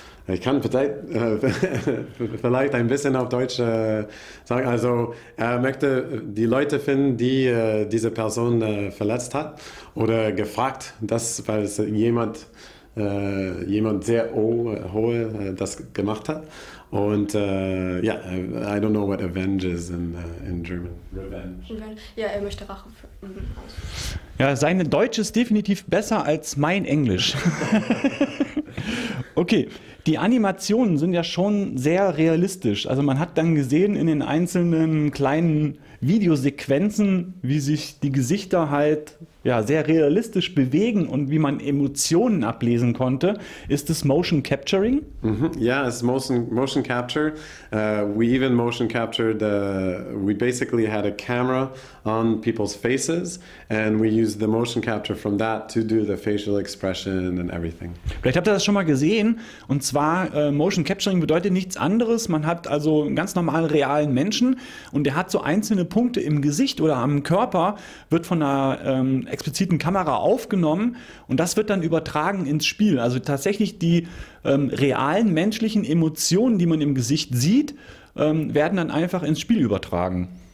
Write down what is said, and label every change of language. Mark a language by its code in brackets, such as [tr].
[de] Ich kann vielleicht ein bisschen auf Deutsch sagen. Also er möchte die Leute finden, die diese Person verletzt hat oder gefragt, weil es jemand sehr hohe das gemacht hat. Und ja, [en] I don't know what Avenge is in German. [de] Revenge. Ja, er möchte Rache für. Ja, sein Deutsch ist definitiv besser als mein Englisch. Okay, die Animationen sind ja schon sehr realistisch. Also man hat dann gesehen in den einzelnen kleinen Videosequenzen, wie sich die Gesichter halt ja sehr realistisch bewegen und wie man Emotionen ablesen konnte. Ist es Motion Capturing? Ja, es ist Motion Capture. [en] We basically had a camera on people's faces and we used the motion capture from that to do the facial expression and everything. [de] Vielleicht habt ihr das schon mal gesehen. Und zwar Motion Capturing bedeutet nichts anderes. Man hat also einen ganz normalen, realen Menschen und der hat so einzelne Punkte im Gesicht oder am Körper, wird von einer expliziten Kamera aufgenommen und das wird dann übertragen ins Spiel. Also tatsächlich die realen menschlichen Emotionen, die man im Gesicht sieht, werden dann einfach ins Spiel übertragen.